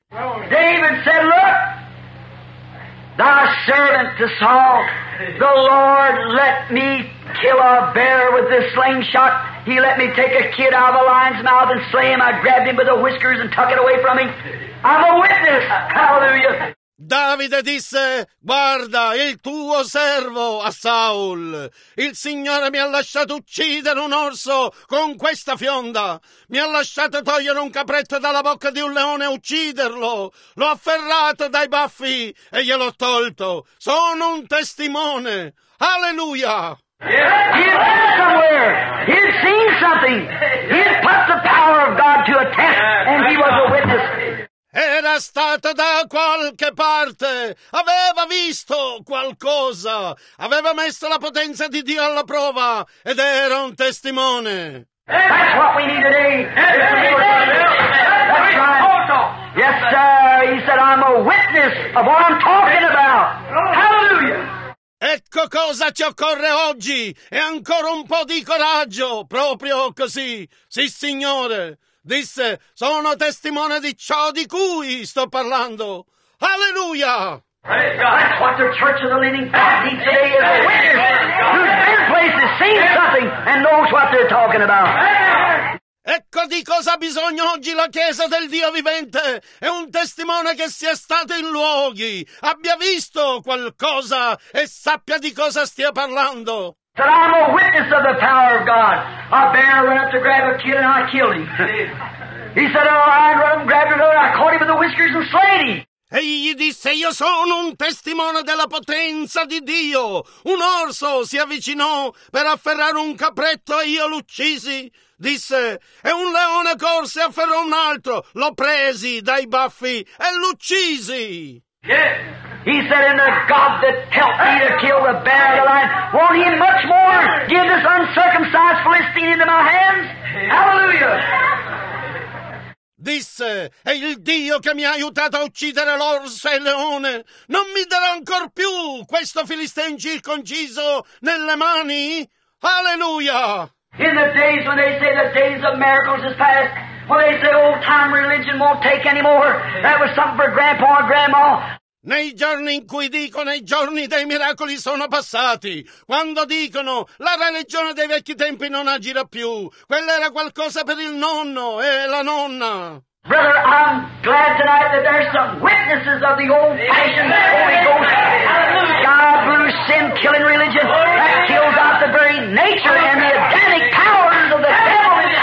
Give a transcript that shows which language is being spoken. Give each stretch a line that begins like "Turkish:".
English: David said, look, thy servant to Saul, the Lord let me kill a bear with this slingshot. He let me take a kid out of a lion's mouth and slay him. I grabbed him by the whiskers and tuck it away from him. I'm a witness. Hallelujah.
Italian: Davide disse, guarda, il tuo servo a Saul, il Signore mi ha lasciato uccidere un orso con questa fionda, mi ha lasciato togliere un capretto dalla bocca di un leone e ucciderlo, l'ho afferrato dai baffi e gliel'ho tolto, sono un testimone, alleluia!
English: He's been somewhere. He's seen something. He's put the power of God to a test, and he was a witness.
Italian: Era stato da qualche parte, aveva visto qualcosa, aveva messo la potenza di Dio alla prova ed era un testimone.
English: That's what we need today. That's right. Yes, sir. He said, I'm a witness of what I'm talking about. Hallelujah.
Italian: Ecco cosa ci occorre oggi e ancora un po' di coraggio, proprio così. Sì, Signore. Disse, sono testimone di ciò di cui sto parlando. Alleluia!
English: That's what the Church of the Living God needs today is a witness who's been places, seen something, and knows what they're talking about.
Italian: Ecco di cosa ha bisogno oggi la Chiesa del Dio vivente. È un testimone che sia stato in luoghi, abbia visto qualcosa e sappia di cosa stia parlando.
English: That I'm a witness of the power of God. A bear went up to grab a kid and I killed him. He said, oh, I run him, grabbed him, and I caught him with the whiskers and slayed him.
Italian: Egli disse, io sono un testimone della potenza di Dio. Un orso si avvicinò per afferrare un capretto e io l'uccisi. Disse, e un leone corse e afferrò un altro. L'ho presi dai baffi e l'uccisi.
English: Yes. He said, in the God that helped me to kill the bear of the lion, won't he much more give this uncircumcised Philistine into my hands? Hallelujah!
Italian: Disse, e il Dio che mi ha aiutato a uccidere l'orso e il leone, non mi darà ancor più questo Filisteo circonciso nelle mani?
English: Hallelujah! In the days when they say the days of miracles is past, well, they say old time religion won't take anymore. That was something for grandpa and grandma.
Italian: Nei giorni in cui dicono i giorni dei miracoli sono passati, quando dicono la religione dei vecchi tempi non agirà più, quella era qualcosa per il nonno e la nonna.
English: Brother, I'm glad tonight that there's some witnesses of the old-fashioned Holy Ghost. God blew sin-killing religion that kills out the very nature and the Adamic powers of the devil.